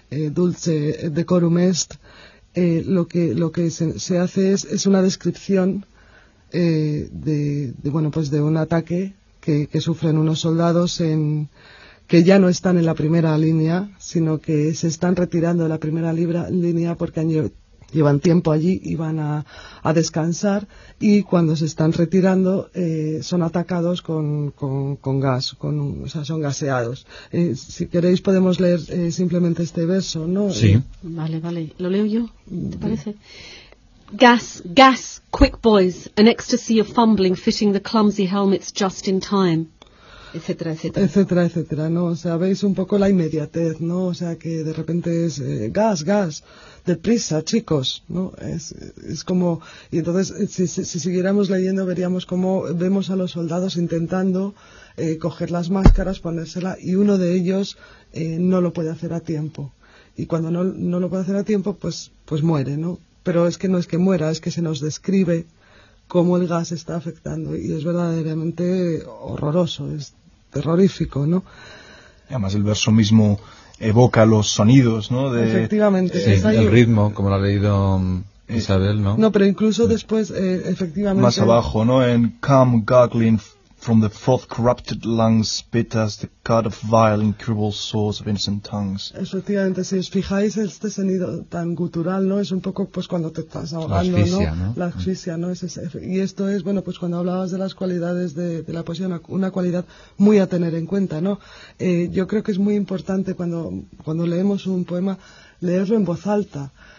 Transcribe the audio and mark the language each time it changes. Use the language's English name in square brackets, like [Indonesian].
[Spanish] Dulce Decorum Est, lo que se hace es una descripción de un ataque que sufren unos soldados que ya no están en la primera línea, sino que se están retirando de la primera línea porque llevan tiempo allí y van a descansar, y cuando se están retirando son atacados con gas, son gaseados. Si queréis podemos leer simplemente este verso, ¿no? Sí. Vale. ¿Lo leo yo? ¿Te parece? [English] Gas, quick boys, an ecstasy of fumbling, fitting the clumsy helmets just in time. [Spanish] etcétera, ¿no? O sea, veis un poco la inmediatez, ¿no? O sea, que de repente es gas, deprisa, chicos, ¿no? Es como, y entonces si siguiéramos leyendo veríamos cómo vemos a los soldados intentando coger las máscaras, ponérsela, y uno de ellos no lo puede hacer a tiempo, y cuando no lo puede hacer a tiempo, pues muere, ¿no? Pero es que no es que muera, es que se nos describe cómo el gas está afectando, y es verdaderamente horroroso, es terrorífico, ¿no? Y además el verso mismo evoca los sonidos, ¿no? Efectivamente. Sí, el ritmo, como lo ha leído Isabel, ¿no? No, pero incluso después, efectivamente. Más abajo, ¿no? [English] En come gurgling from the fourth corrupted lungs, spit as the cut of vile incurable sores of innocent tongues. [Spanish] Efectivamente, si os fijáis, este sonido tan gutural, ¿no? Es un poco, pues, cuando te estás ahogando, asfixia, ¿no? La asfixia, ¿no? Y esto es, bueno, pues cuando hablabas de las cualidades de la poesía, una cualidad muy a tener en cuenta, ¿no? Yo creo que es muy importante cuando leemos un poema, leerlo en voz alta.